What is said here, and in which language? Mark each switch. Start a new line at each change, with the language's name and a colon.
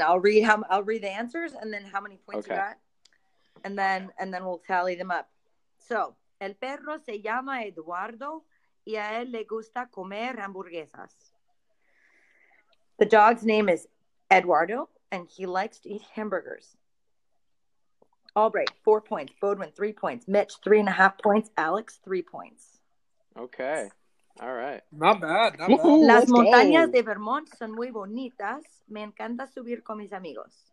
English: I'll read the answers and then how many points you got. And then we'll tally them up.
Spanish: So, el perro se llama Eduardo y a él le gusta comer hamburguesas.
English: The dog's name is Eduardo and he likes to eat hamburgers. Albright, 4 points. Baudouin, 3 points. Mitch, 3.5 points. Alex, 3 points. Okay. All right. Not bad.
Spanish: Las montañas de Vermont son muy bonitas. Me encanta subir con mis amigos.